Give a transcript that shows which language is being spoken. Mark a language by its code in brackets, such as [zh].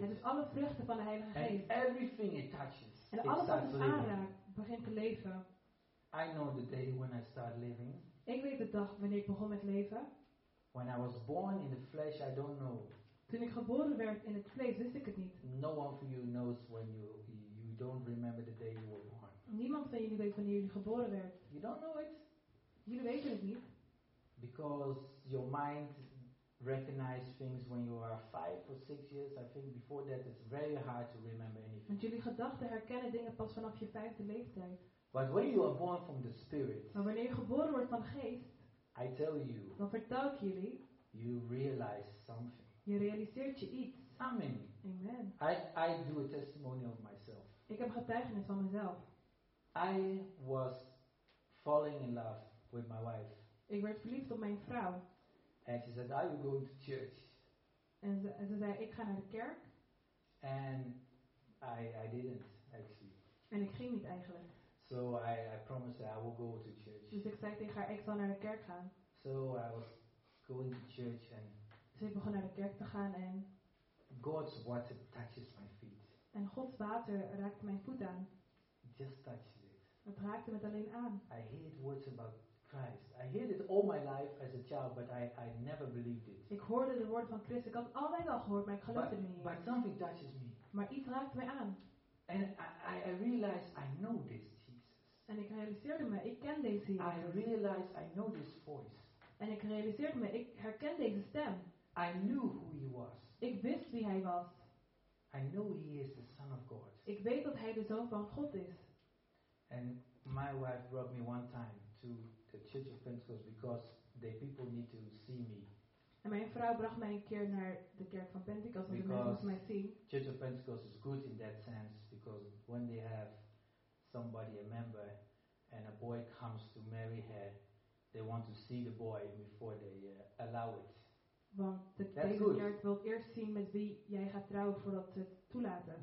[nl] Het is alle vruchten van de Heilige Geest. [en] And everything it touches. [nl] En alles wat het aanraakt begint te leven. [en] I know the day when I start living. [nl] Ik weet de dag wanneer ik begon met leven. [en] When I was born in the flesh, I don't know. [nl] Toen ik geboren werd in het vlees, wist ik het niet. [en] No one of you knows when you don't remember the day you were born. [nl] Niemand van jullie weet wanneer jullie geboren werd. [en] You don't know it. [nl] Jullie weten het niet. [en] Because your mind recognizes things when you are 5 or 6 years. I think before that it's very hard to remember anything. [nl] Want jullie gedachten herkennen dingen pas vanaf je 5e leeftijd. [en] But when you are born from the Spirit. [nl] Maar wanneer je geboren wordt van de Geest. [en] I tell you. [nl] Dan vertel ik jullie. [en] You realize something. [nl] Je realiseert je iets. Amen. Amen. [en] I do a testimony of myself. [nl] Ik heb getuigenis van mezelf. [en] I was falling in love with my wife. [nl] Ik werd verliefd op mijn vrouw. [en] And she said, "Are you going to church?" [nl] En ze zei, ik ga naar de kerk. [en] And I didn't actually. [nl] En ik ging niet eigenlijk. [en] So I promised her I will go to church. [nl] Dus ik zei tegen haar, ik zal naar de kerk gaan. [en] So I was going to church and. [nl] Dus ik begon naar de kerk te gaan en. [en] God's water touches my feet. [nl] En Gods water raakte mijn voet aan. [en] Just touched it. [nl] Het raakte me alleen aan. [en] I hate words about. I heard it all my life as a child, but I never believed it. [nl] Ik hoorde de woord van Christus. Ik had altijd al gehoord, maar ik geloofde niet. [en] But something touches me. [nl] Maar iets raakt mij aan. [en] And I realized I know this Jesus. [nl] En ik realiseerde me, ik ken deze Jesus. [en] I realized I know this voice. [nl] En ik realiseerde me, ik herken deze stem. [en] I knew who he was. [nl] Ik wist wie hij was. [en] I know he is the Son of God. [nl] Ik weet dat hij de Zoon van God is. [en] And my wife brought me one time to. The Church of Pentecost, because the people need to see me. [nl] En mijn vrouw bracht mij een keer naar de kerk van Pentecost, want de mensen moesten mij zien. [en] Church of Pentecost is good in that sense, because when they have somebody, a member, and a boy comes to marry her, they want to see the boy before they allow it. [nl] Want de kerk wil eerst zien met wie jij gaat trouwen voordat ze het toelaten.